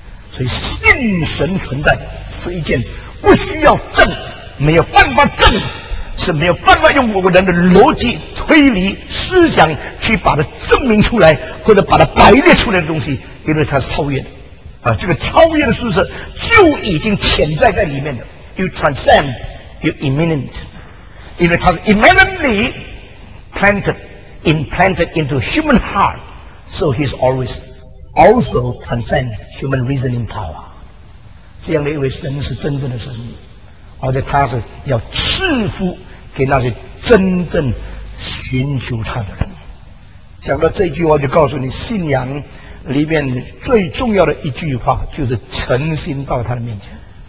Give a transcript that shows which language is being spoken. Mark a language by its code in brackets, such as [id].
[zh] 所以信神存在是一件不需要证、没有办法证、是没有办法用我人的逻辑推理思想去把它证明出来或者把它排列出来的东西，因为它是超越的啊，这个超越的事实就已经潜在在里面的。 [en] You transcend, you imminent, [zh] 因为它是 [en] immanently implanted into human heart, so he's always also transcends human reasoning power。 [zh] 这样的一位神是真正的神，而且他是要赐福给那些真正寻求他的人。讲到这句话，就告诉你信仰里面最重要的一句话，就是诚心到他的面前。